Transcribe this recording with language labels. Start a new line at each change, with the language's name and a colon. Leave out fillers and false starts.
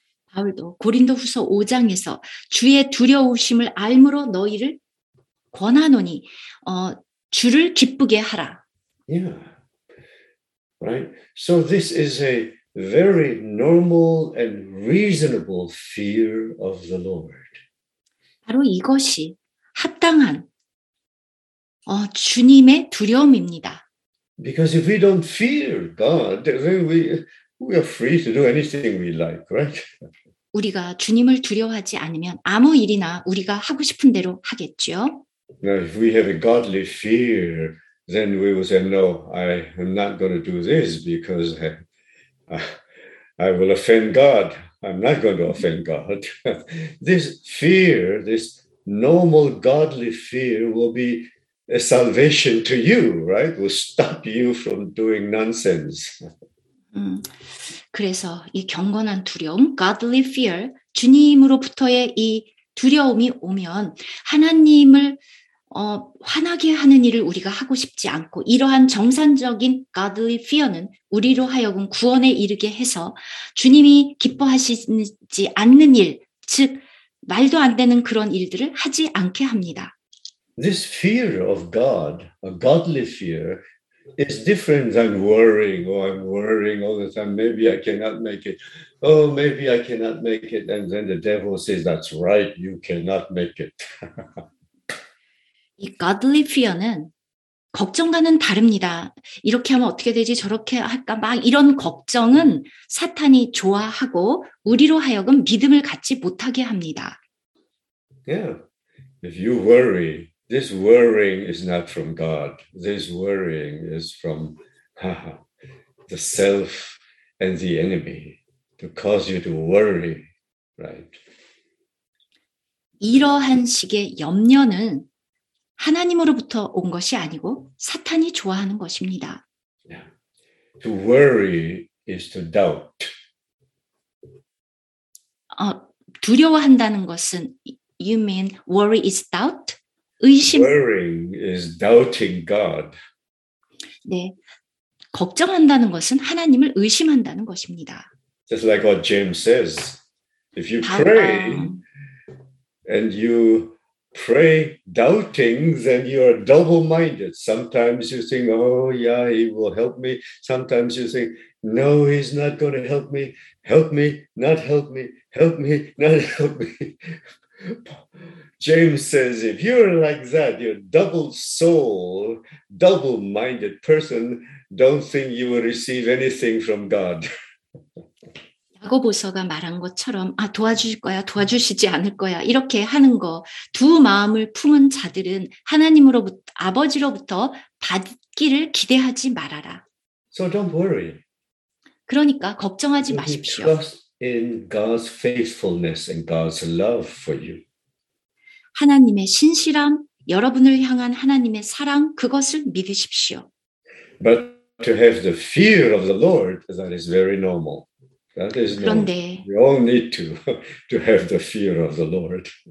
Korean: 바울도 고린도후서 5장에서 주의 두려우심을 알므로 너희를 권하노니 주를 기쁘게 하라.
English: Yeah. Right. So this is a very normal and reasonable fear of the Lord.
Korean: 바로 이것이 합당한 주님의 두려움입니다.
English: Because if we don't fear God, then we are free to do anything we like, right?
Korean: 우리가 주님을 두려워하지 않으면 아무 일이나 우리가 하고 싶은 대로 하겠죠.
English: Now, if we have a godly fear, then we will say, no, I am not going to do this because I will offend God. I'm not going to offend God. This fear, this normal godly fear will be salvation to you, right? Will stop you from doing nonsense.
Korean: 그래서 이 경건한 두려움, godly fear, 주님으로부터의 이 두려움이 오면 하나님을 화나게 하는 일을 우리가 하고 싶지 않고 이러한 정상적인 godly fear는 우리로 하여금 구원에 이르게 해서 주님이 기뻐하시지 않는 일, 즉 말도 안 되는 그런 일들을 하지 않게 합니다.
English: This fear of God, a godly fear, is different than worrying. Oh, I'm worrying all the time. Maybe I cannot make it. Oh, maybe I cannot make it. And then the devil says, that's right, you cannot make it.
Korean: 이 godly fear는 걱정과는 다릅니다. 이렇게 하면 어떻게 되지? 저렇게 할까? 막 이런 걱정은 사탄이 좋아하고 우리로 하여금 믿음을 갖지 못하게 합니다.
English: Yeah. If you worry, this worrying is not from God. This worrying is from the self and the enemy to cause you to worry, right?
Korean: 이러한 식의 염려는 하나님으로부터 온 것이 아니고 사탄이 좋아하는 것입니다.
English: Yeah. To worry is to doubt.
Korean: 두려워한다는 것은
English: you mean worry is doubt?
Korean: 의심.
English: Worrying is doubting God.
Korean: 네. 걱정한다는 것은 하나님을 의심한다는 것입니다.
English: Just like what James says. If you pray and you pray doubting, then you are double-minded. Sometimes you think, oh, yeah, he will help me. Sometimes you think, no, he's not going to help me. Help me, not help me. Help me, not help me. James says, if you're like that, you're double soul, double-minded person, don't think you will receive anything from God.
Korean: 야고보서가 말한 것처럼 아 도와주실 거야 도와주시지 않을 거야 이렇게 하는 거 두 마음을 품은 자들은 하나님으로부터 아버지로부터 받기를 기대하지 말아라.
English: So don't worry.
Korean: 그러니까 걱정하지 마십시오.
English: Trust in God's faithfulness and God's love for you.
Korean: 하나님의 신실함, 여러분을 향한 하나님의 사랑 그것을 믿으십시오.
English: But to have the fear of the Lord, that is very normal. That is
Korean: 그런데
English: we all need to have the fear of the Lord.